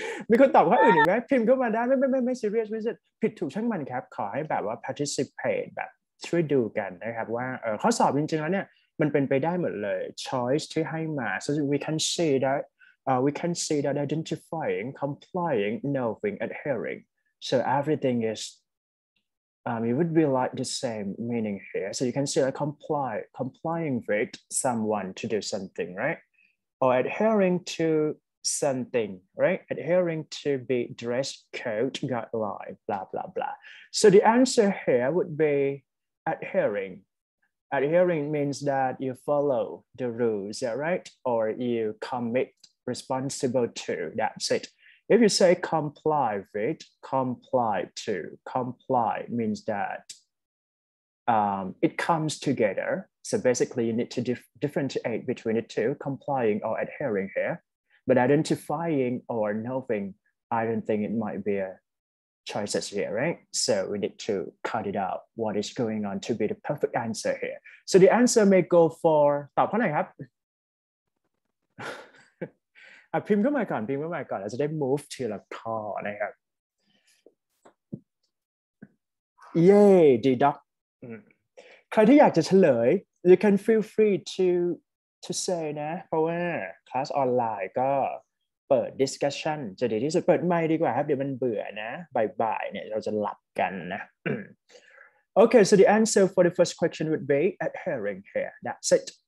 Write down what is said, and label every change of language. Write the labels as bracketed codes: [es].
[th] มีคนตอบข้ออื่นอีกไหมพิมพ์เข้ามาได้ไม่ serious ไม่ใช่ผิดถูกช่างมันครับขอให้แบบว่า participate แบบช่วยดูกันนะครับว่าข้อสอบจริงๆแล้วเนี่ยมันเป็นไปได้หมดเลย choice ที่ให้มา [en] so we can see that We can say that identifying, complying, knowing, adhering. So everything is, it would be like the same meaning here. So you can say like complying with someone to do something, right? Or adhering to something, right? Adhering to the dress code guideline, blah, blah, blah. So the answer here would be adhering. Adhering means that you follow the rules, yeah, right? Or you commit responsible to, that's it. If you say comply with, comply to, comply means that it comes together. So basically you need to differentiate between the two, complying or adhering here. But identifying or knowing, I don't think it might be a choices here, right? So we need to cut it out. What is going on to be the perfect answer here? So the answer may go for [th] ตอบเท่าไหร่ครับ พิมพ์ขึ้นมาก่อนพิมพ์ขึ้นมาก่อนแล้วจะได้ move ทีละข้อนะครับ Yay, deduct ใครที่อยากจะเฉลย [en] you can feel free to say [th] นะเพราะว่าคลาสออนไลน์ก็เปิด discussion จะดีที่สุดเปิดไมค์ดีกว่าครับเดี๋ยวมันเบื่อนะบ่ายๆเนี่ยเราจะหลับกันนะ [en] Okay, so the answer for the first question would be adhering here. That's it.